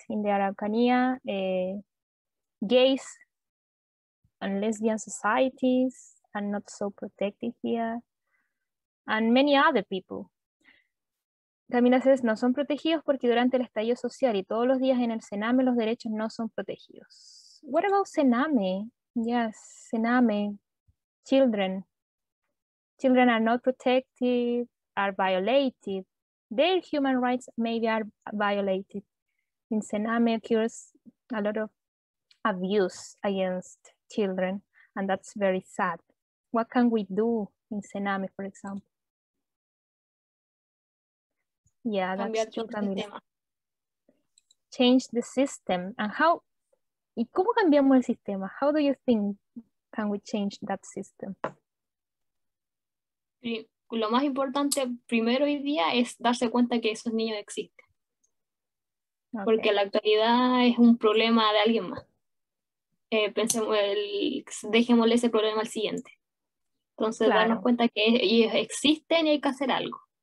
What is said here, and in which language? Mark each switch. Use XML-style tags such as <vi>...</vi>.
<en>In the Araucanía, gays and lesbian societies are not so protected here, and many other people.</en> <es>Camila says, no son protegidos porque durante el estallido social y todos los días en el Sename los derechos no son protegidos.</es> <en>What about Sename? Yes, Sename, children. Children are not protected, are violated. Their human rights maybe are violated. In Sename occurs a lot of abuse against children, and that's very sad. What can we do in Sename, for example? Yeah, that's true, Camila. Change the system. And how,</en> <es>¿y cómo cambiamos el sistema?</es> <en>How do you think can we change that system?</en> <es>Lo más importante primero hoy día es darse cuenta que esos niños existen. Okay. Porque la actualidad es un problema de alguien más. Pensemos, dejémosle ese problema al siguiente. Entonces, claro, darnos cuenta que ellos existen y hay que hacer algo.</es>